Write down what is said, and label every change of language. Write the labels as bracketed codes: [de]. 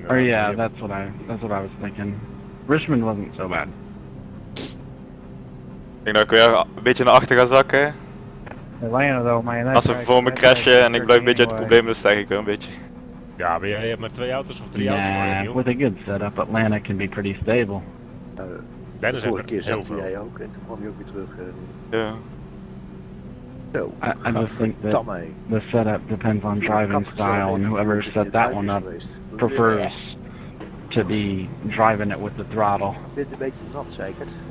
[en] Oh ja, that's what I was thinking. Richmond wasn't so bad. [nl] Ik denk dat ik weer een beetje naar achter ga zakken. [en] Atlanta though, man. [nl] Als ze voor me crashen en ik blijf een beetje uit het probleem, dan stijg ik weer een beetje. Ja, maar jij hebt maar twee auto's of drie auto's. Ja, [en] with a good setup, Atlanta can be pretty stable. [nl] De vorige keer zette jij ook en toen kwam je ook weer terug. Ja. [en] I just think that the setup depends on driving style, and whoever set that one up prefers to be driving it with the throttle. Bit a bit not shake it.